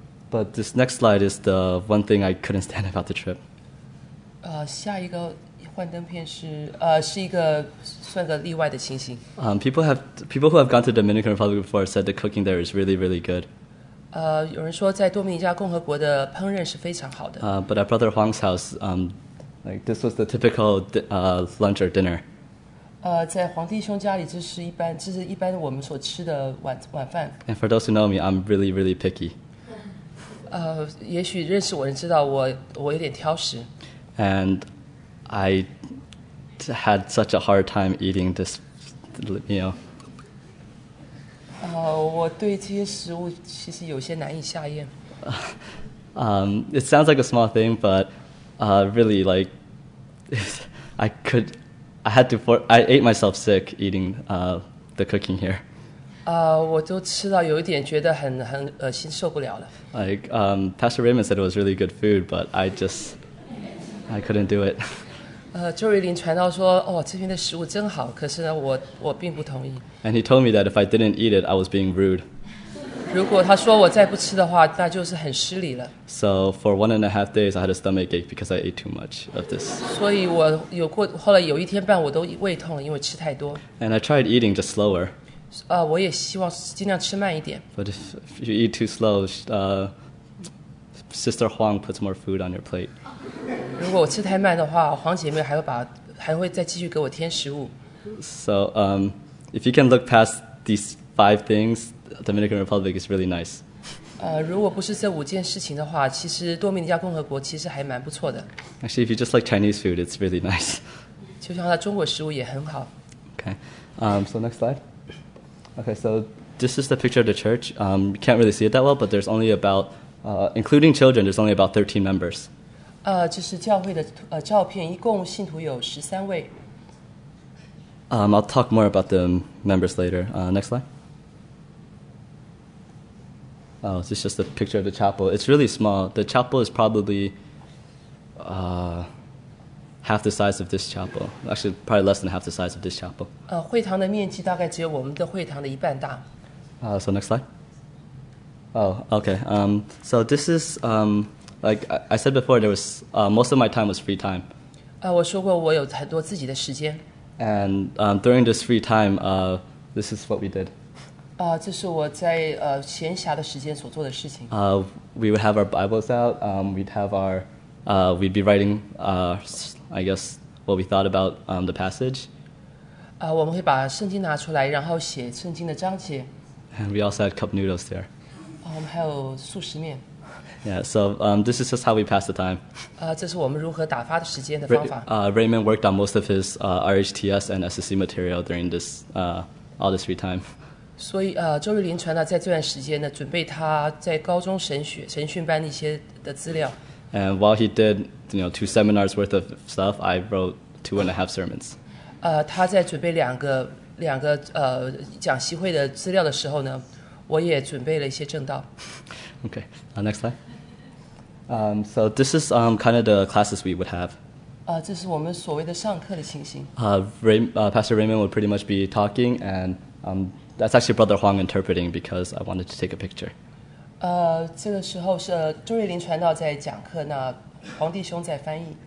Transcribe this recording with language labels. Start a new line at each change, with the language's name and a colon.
English: But this next slide is the one thing I couldn't stand about the trip.
Chinese: 下一个幻灯片是一个算个例外的情形。
English: People who have gone to Dominican Republic before said the cooking there is really, really good.
Chinese: 有人说在多米尼加共和国的烹饪是非常好的。
English: But at Brother Huang's house, Like this was the typical lunch or dinner.
Chinese: 在黄弟兄家里，这是一般我们所吃的晚饭。
English: And for those who know me, I'm really, really picky.
Chinese: 也许认识我人知道我有点挑食。
English: And I had such a hard time eating this meal.
Chinese: 我对这些食物其实有些难以下咽。
English: It sounds like a small thing, but really, like, I ate myself sick eating the cooking here.
Chinese: 我都吃到有一点觉得很恶心，受不了了。
English: Like, Pastor Raymond said it was really good food, but I couldn't do it.
Chinese: 周瑞林传道说，哦，这边的食物真好，可是呢，我并不同意。
English: And he told me that if I didn't eat it, I was being rude.
Chinese: 如果他说我再不吃的话，那就是很失礼了。
English: So for 1.5 days, I had a stomach ache because I ate too much of this.
Chinese: 所以我有过后来有一天半我都胃痛了，因为吃太多。
English: And I tried eating just slower.
Chinese: 我也希望尽量吃慢一点。
English: But if you eat too slow, Sister Huang puts more food on your plate.
Chinese: 如果我吃太慢的话，黄姐妹还会再继续给我添食物。
English: So if you can look past these five things. Dominican Republic is really nice.
Chinese: 如果不是这五件事情的话，其实多米尼加共和国其实还蛮不错的。
English: Actually, if you just like Chinese food, it's really nice.
Chinese: 就像它中国食物也很好。
English: Okay, so next slide. Okay, so this is the picture of the church. You can't really see it that well, but there's only about, including children, there's only about 13 members.
Chinese: 这是教会的照片，一共信徒有13位。
English: I'll talk more about the members later. Next slide. Oh, this is just a picture of the chapel. It's really small. The chapel is probably half the size of this chapel. Actually, probably less than half the size of this chapel.
Chinese: 会堂的面积大概只有我们的会堂的一半大。
English: So next slide. Oh, okay. So this is, like I said before, there was, most of my time was free time.
Chinese: 我说过我有很多自己的时间。
English: And during this free time, this is what we did.
Chinese: 这是我在闲暇的时间所做的事情。
English: We would have our Bibles out. We'd have our, we'd be writing, I guess, what we thought about the passage.
Chinese: 我们会把圣经拿出来，然后写圣经的章节。
English: And we also had cup noodles there.
Chinese: 我们还有速食面。
English: Yeah, so this is just how we pass the time.
Chinese: 这是我们如何打发时间的方法。
English: Raymond worked on most of his RHTS and SSC material during this all this free time.
Chinese: 所以周瑞林传道在这段时间呢准备他在高中神训班一些的资料。
English: And while he did, you know, two seminars worth of stuff, I wrote 2.5 sermons.
Chinese: 他在准备两个讲习会的资料的时候呢，我也准备了一些证道。
English: Okay, next slide. So this is kind of the classes we would have.
Chinese: 这是我们所谓的上课的情形。
English: Pastor Raymond would pretty much be talking and That's actually Brother Huang interpreting because I wanted to take a picture.
Chinese: 这个时候是周瑞林传道在讲课，那黄弟兄在翻译。